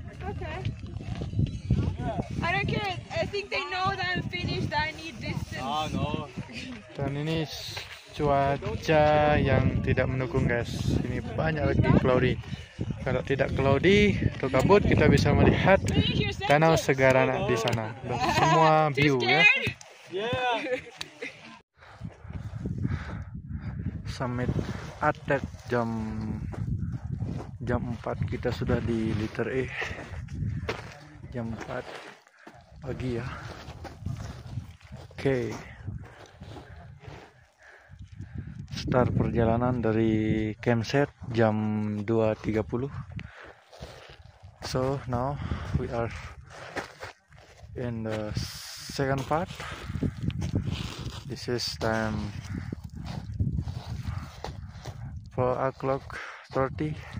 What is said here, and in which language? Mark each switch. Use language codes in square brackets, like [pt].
[en] Okay. I don't care. I think they know that I'm finished. I need distance. Ah no. [id] Dan ini cuaca yang tidak mendukung guys. Ini banyak lagi cloudy. Kalau tidak cloudy atau kabut, kita bisa melihat Danau Segarana di sana. Dan semua view ya. Summit Attack jam 4 kita sudah di Liter E. Jam 4 pagi ya. Okay. Start perjalanan dari campsite jam 2.30. [en] So now we are in the second part. This is time 4:30.